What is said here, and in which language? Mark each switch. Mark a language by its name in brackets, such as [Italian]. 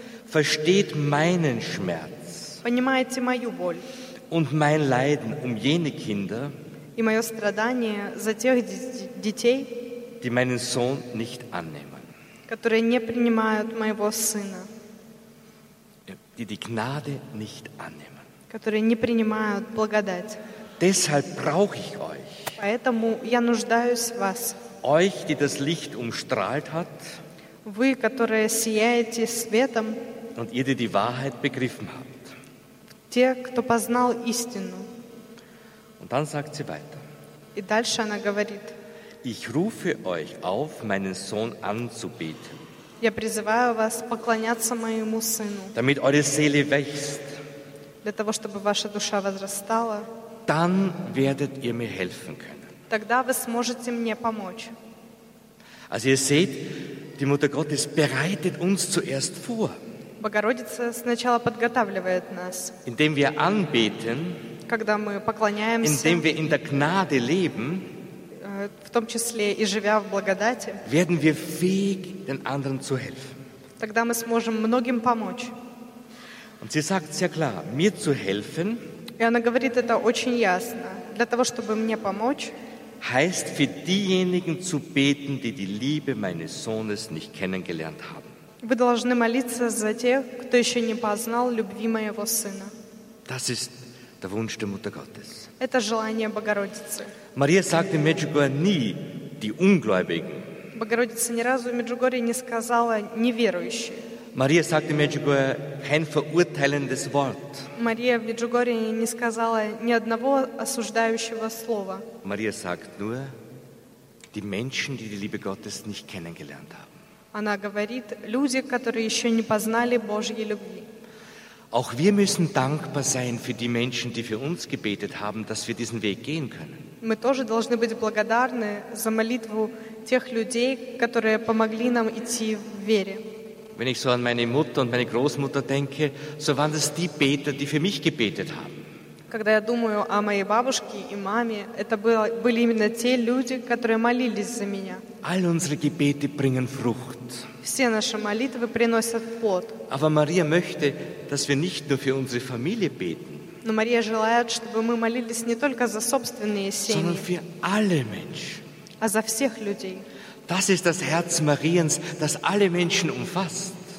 [German] versteht meinen Schmerz, [Russian] понимаете мою боль, [German] und mein Leiden um jene Kinder, [Russian] и мое страдание за тех детей, [German] die meinen Sohn nicht annehmen, [Russian] которые не принимают моего сына, [German] die Gnade nicht annehmen, [Russian] которые не принимают благодать. [German] Deshalb brauche ich euch, [Russian] поэтому я нуждаюсь в вас, [German] euch, die das Licht umstrahlt hat, [Russian] вы, которые сияете светом, [German] und ihr, die Wahrheit begriffen habt, [Russian] те, кто познал истину. [German] Und dann sagt sie weiter. [Russian] И дальше она говорит: [German] Ich rufe euch auf, meinen Sohn anzubeten. [Russian] Я призываю вас поклоняться моему сыну. [German] Damit eure Seele wächst. [Russian] Для того, чтобы ваша душа возрастала. [German] Dann werdet ihr mir helfen können. [Russian] Тогда вы сможете мне помочь. [German] Also ihr seht, die Mutter Gottes bereitet uns zuerst vor. [Russian] Богородица сначала подготавливает нас. [German] Indem wir anbeten. [Russian] Когда мы поклоняемся. [German] Indem wir in der Gnade leben. [Russian] В том числе и живя в благодати, [German] werden wir fähig, den anderen zu helfen. [Russian] Тогда мы сможем многим помочь. [German] Und sie sagt sehr klar, mir zu helfen, [Russian] и она говорит это очень ясно. Для того, чтобы мне помочь, [German] heißt für diejenigen zu beten, die die Liebe meines Sohnes nicht kennengelernt haben. [Russian] Вы должны молиться за тех, кто еще не познал любви моего сына. [German] Das ist der Wunsch der Mutter Gottes. [Russian] Это желание Богородицы. [German] Maria sagt in Medjugorje nie die Ungläubigen. [Russian] Богородица ни разу в Меджугорье не сказала неверующие. [German] Maria sagt in Medjugorje kein verurteilendes Wort. [Russian] Мария в Меджугорье не сказала ни одного осуждающего слова. [German] Maria sagt nur die Menschen, die die Liebe Gottes nicht kennengelernt haben. [Russian] Она говорит: люди, которые еще не познали Божьей любви. [German] Auch wir müssen dankbar sein für die Menschen, die für uns gebetet haben, dass wir diesen Weg gehen können. [Russian] Мы тоже должны быть благодарны за молитву тех людей, которые помогли нам идти в вере. [German] Wenn ich so an meine Mutter und meine Großmutter denke, so waren das die Beter, die für mich gebetet haben. [Russian] Когда я думаю о моей бабушке и маме, это были именно те люди, которые молились за меня. [German] All unsere Gebete bringen Frucht. [Russian] Все наши молитвы приносят плод. [German] Aber Maria möchte, dass wir nicht nur für unsere Familie beten. [Russian] Но Мария желает, чтобы мы молились не только за собственные семьи, [German] sondern für alle Menschen. [Russian] А за всех людей. [German] Das ist das Herz Mariens, das alle Menschen umfasst.